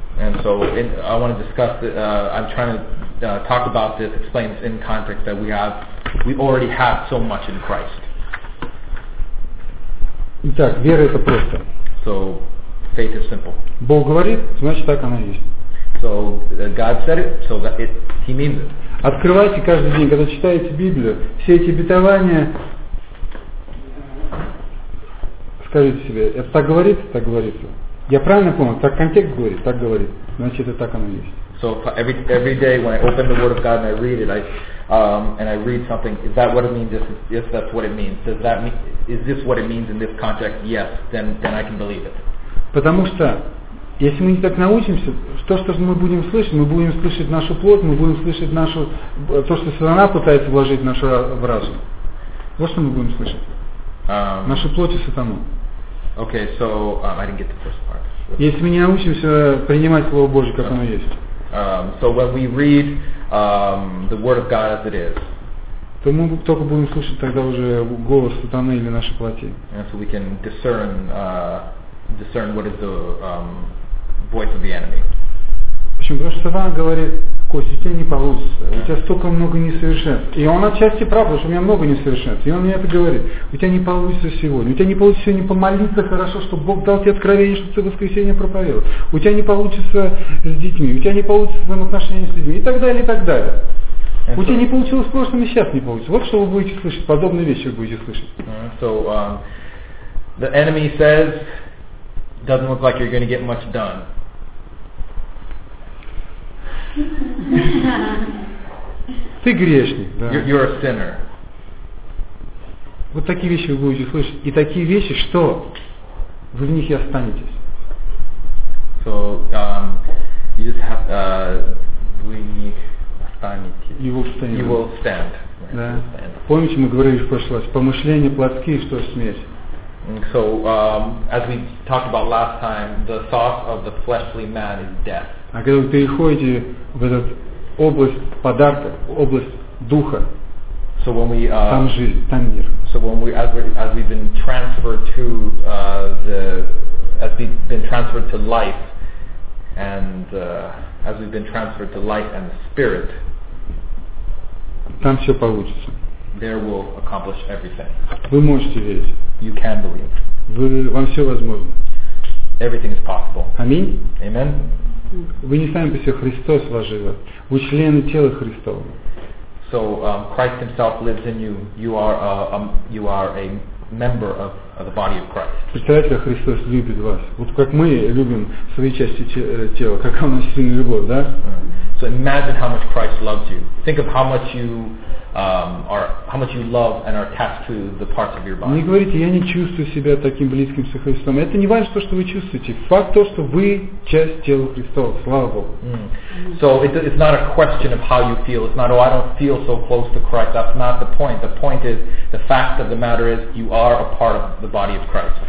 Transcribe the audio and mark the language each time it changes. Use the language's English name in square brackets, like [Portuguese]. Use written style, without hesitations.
[English] And so I want to discuss it. I'm trying to talk about this, explain this in context that we already have so much in Christ. [Russian] Итак, вера это просто. [English] So, faith is simple. [Russian] Бог говорит, значит так оно и есть. [English] So, God said it, so that He means it. [Russian] Открывайте каждый день, когда читаете Библию, все эти обетования. Скажите себе, это так говорит, так говорится. Я правильно понял, так контекст говорит, так говорит. Значит, это так оно и есть. [English] So, every day when I open the Word of God and I read it, I And I read something, is that what it means? If that's what it means, does that mean, is this what it means in this context? Yes, then I can believe it. [Russian] Потому что если мы не так научимся, то, что мы будем слышать нашу плоть, мы будем слышать нашу то, что сатана пытается вложить в наш разум. Вот что мы будем слышать. Нашу плоть и сатану. [English] Okay, so I didn't get the first part. [Russian] Если мы не научимся принимать Слово Божие, как оно есть. [English] So when we read the Word of God as it is, [Russian] то мы только будем слушать тогда уже голос сатаны или нашей плоти. [English] And so we can discern what is the voice of the enemy. [Russian] Почему? Потому что сатана говорит, Костя, у тебя не получится, у тебя столько много несовершенств. И он отчасти прав, потому что у меня много несовершенств. И он мне это говорит, у тебя не получится сегодня, у тебя не получится сегодня помолиться хорошо, чтобы Бог дал тебе откровение, чтобы ты в воскресенье проповедовал. У тебя не получится с детьми, у тебя не получится взаимоотношения с людьми, и так далее, и так далее. And у тебя не получилось в прошлом, и сейчас не получится. Вот что вы будете слышать, подобные вещи вы будете слышать. [English] So, the enemy says, doesn't look like you're going to get much done. [Russian] Ты грешник, да. [English] You're a sinner. [Russian] Вот такие вещи вы будете слышать. И такие вещи, что вы в них и останетесь. [English] So, you just have to... [Russian] Вы в них останетесь. [English] You will stand. You will stand. [Russian] Да. Помните, мы говорили в прошлый раз, помышления плотские, что смесь. [English] So, as we talked about last time, the thought of the fleshly man is death. [Russian] А когда вы переходите в эту область подарка, область духа, [English] so when we, [Russian] там жизнь, там мир. [English] So when we, as we've been transferred to life, and as we've been transferred to life and spirit, [Russian] там все получится. [English] There will accomplish everything. [Russian] Вы можете верить. [English] You can believe. [Russian] Вам все возможно. [English] Everything is possible. [Russian] Аминь. [English] Amen. [Russian] Вы не сами по себе, Христос вас живет. Вы члены тела Христова. [English] So, Christ himself lives in you. You are a member of the body of Christ. [Russian] Представляете, как Христос любит вас. Вот как мы любим свои части тела, как у нас сильная любовь, да? [English] So imagine how much Christ loves you. Think of how much you how much you love and are attached to the parts of your body. [Russian] Не говорите, я не чувствую себя таким близким со Христом. Это не важно то, что вы чувствуете. Факт то, что вы часть тела Христова. Слава Богу. [English] So it's not a question of how you feel. It's not, oh, I don't feel so close to Christ. That's not the point. The point is, the fact of the matter is, you are a part of the body of Christ.